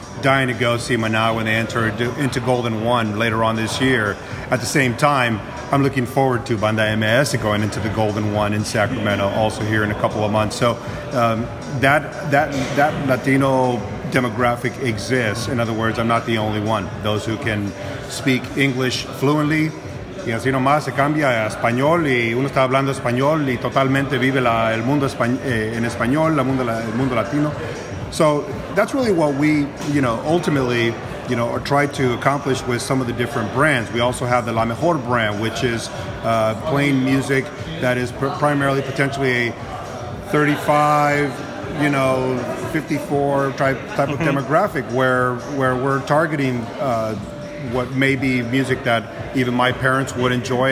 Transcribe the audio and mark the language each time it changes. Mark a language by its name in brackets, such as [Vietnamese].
[English] dying to go see Manaa when they enter into Golden One later on this year. At the same time, I'm looking forward to Bandai MAS going into the Golden One in Sacramento, also here in a couple of months. So that Latino demographic exists. In other words, I'm not the only one. Those who can speak English fluently, [Spanish] y así nomás se cambia a español y uno está hablando español y totalmente vive el mundo en español, el mundo latino. [English] So that's really what we, you know, ultimately, you know, are trying to accomplish with some of the different brands. We also have the La Mejor brand, which is playing music that is primarily potentially a 35, you know, 54 type of demographic, where we're targeting what may be music that even my parents would enjoy.